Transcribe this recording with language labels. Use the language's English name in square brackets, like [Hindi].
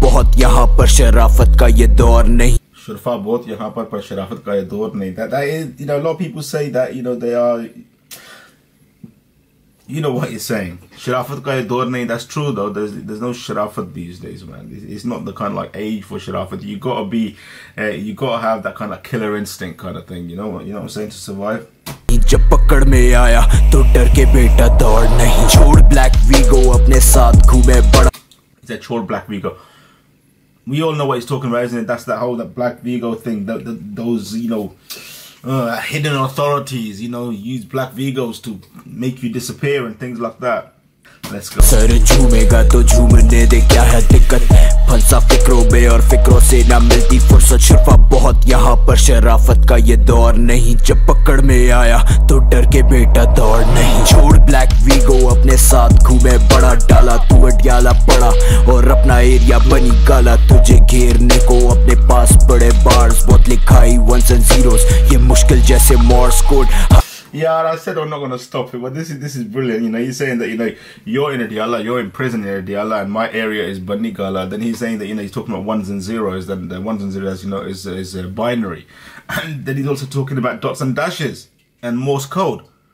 [Hindi] बहुत यहाँ पर शराफत का ये दौर नहीं. शर्फा बहुत यहाँ पर शराफत का ये दौर नहीं. [English] That you know lot of people say that you know they are. You know what he's saying. [Hindi] Sharafat ka ye daur nahi. [English] That's true though. There's no sharafat these days, man. It's not the kind of like age for sharafat. You gotta be, you gotta have that kind of killer instinct kind of thing. You know what I'm saying, to survive. [Hindi] जब पकड़ में आया तो डर के बेटा दौड़ नहीं. छोड़ ब्लैक वीगो अपने साथ घूमे बड़ा. [English] Is that [Hindi] छोड़ black we go? [English] We all know what he's talking about, isn't it? That's that whole that black vigo thing. Those you know. Hidden authorities, you know, use black vigos to make you disappear and things like that. Let's go. [Hindi] Sir झूमेगा तो झूमने दे, क्या है दिक्कत, फंसा फिक्रों में और फिक्रों से ना मिलती फुर्सत, शर्फा बहुत यहाँ पर शराफत का ये दौर नहीं, जब पकड़ में आया तो डर के बेटा दौड़ नहीं, छोड़ ब्लैक वीगो अपने साथ घूमे बड़ा डाला, तू अडियाला पड़ा और अपना एरिया बनी काला, तुझे घेरने को अपने पास बड़े बार्स, बहुत लिखाई वंस एंड जीरोस, ये मुश्किल जैसे Moore's code. [English] Yeah, I said I'm not gonna stop it, but this is brilliant. You know, he's saying that, you know, you're in a Diyala, you're in prison in a Diyala, and my area is Banigala. Then he's saying that, you know, he's talking about ones and zeros. Then the ones and zeros, you know, is a binary, and then he's also talking about dots and dashes and Morse code.